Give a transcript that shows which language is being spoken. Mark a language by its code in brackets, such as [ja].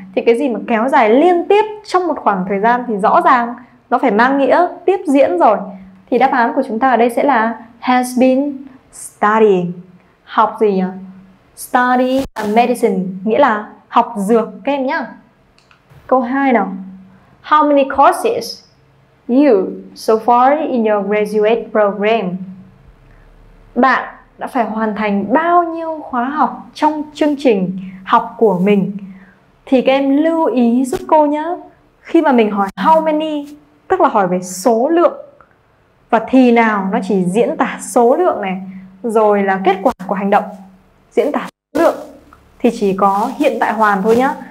[vi] Thì cái gì mà kéo dài liên tiếp trong một khoảng thời gian thì rõ ràng nó phải mang nghĩa tiếp diễn rồi. Thì đáp án của chúng ta ở đây sẽ là [en] has been studying. [vi] Học gì nhỉ? [en] Study medicine, [vi] nghĩa là học dược các em nhá. Câu 2 nào. [en] How many courses you so far in your graduate program? [vi] Bạn đã phải hoàn thành bao nhiêu khóa học trong chương trình học của mình? Thì các em lưu ý giúp cô nhá. Khi mà mình hỏi [en] how many, [vi] tức là hỏi về số lượng, và thì nào nó chỉ diễn tả số lượng này, rồi là kết quả của hành động diễn tả số lượng thì chỉ có hiện tại hoàn thôi nhá.